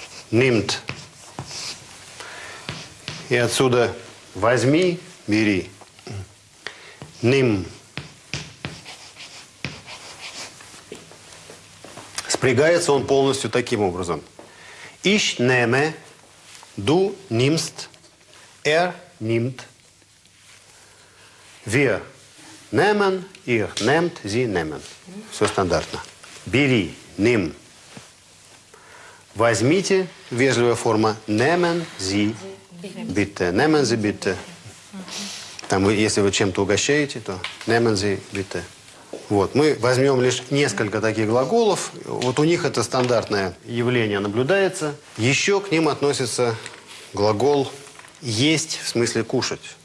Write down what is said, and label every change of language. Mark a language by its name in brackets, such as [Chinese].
[German] Нимт. [Russian] И отсюда возьми, бери. Ним. Прягается он полностью таким образом. [German] Ich nehme, du nimmst, nimmt. Wir nehmen, ihr nehmt, sie nehmen. [Russian] Все стандартно. Бери, nimm. Возьмите, вежливая форма, [German] nehmen sie, bitte. Nehmen sie, bitte. [Russian] Там, если вы чем-то угощаете, то [German] nehmen sie, bitte. [Russian] Вот, мы возьмем лишь несколько таких глаголов. Вот у них это стандартное явление наблюдается. Еще к ним относится глагол «есть», в смысле «кушать».